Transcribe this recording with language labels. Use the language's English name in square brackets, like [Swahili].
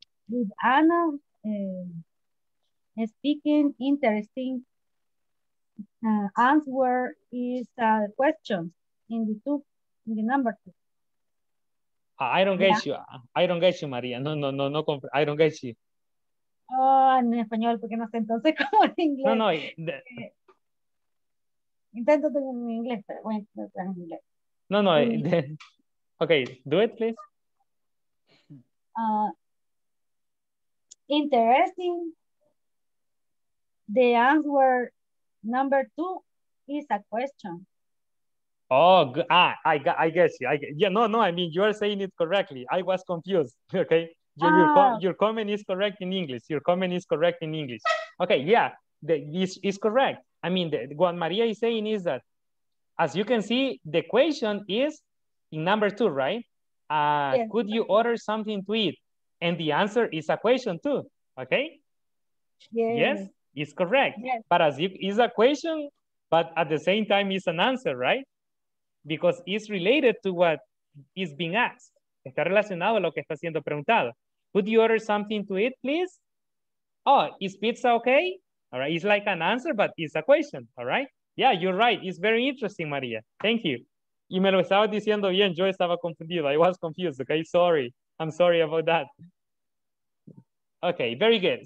[English] Is Ana speaking interesting answer is a question in the two, in the number two. I don't get you. I don't get you, Maria. No. I don't get you. [Spanish] Oh, en español, porque no sé entonces cómo en inglés. [English] No. [Spanish] Intento en inglés, pero bueno, en inglés. [English] No. Okay, do it, please. Interesting. The answer number two is a question. Oh, I guess you. I mean, you are saying it correctly. I was confused. Okay. Your comment is correct in English. Your comment is correct in English. Okay. Yeah. This is correct. I mean, what Maria is saying is that, as you can see, the question is in number two, right? Yes. Could you order something to eat? And the answer is a question too. Okay. Yes. It's correct. Yes. But as if it's a question, but at the same time, it's an answer, right? Because it's related to what is being asked. [Spanish] Está relacionado a lo que está siendo preguntado. [English] Could you order something to eat, please? Oh, is pizza okay? All right, it's like an answer, but it's a question, all right? Yeah, you're right. It's very interesting, Maria. Thank you. [Spanish] Y me lo estaba diciendo bien. Yo estaba confundido. [English] I was confused, okay? Sorry. I'm sorry about that. Okay, very good.